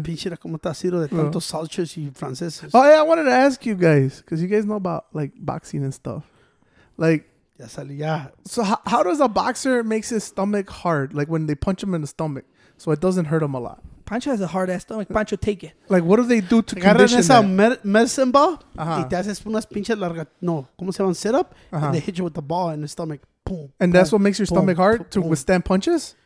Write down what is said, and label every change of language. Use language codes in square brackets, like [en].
[en] Oh, yeah, I wanted to ask you guys, because you guys know about, like, boxing and stuff. Like... Yeah. So how does a boxer make his stomach hard? Like when they punch him in the stomach, so it doesn't hurt him a lot. Pancho has a hard ass stomach. Pancho, take it. Like what do they do to condition that? [es] Agarran esa medicine ball y te haces unas pinches largas. No, ¿cómo se llaman? Sit up. [en] And they hit you with the ball in the stomach. Boom. And boom, that's what makes your stomach hard to withstand punches?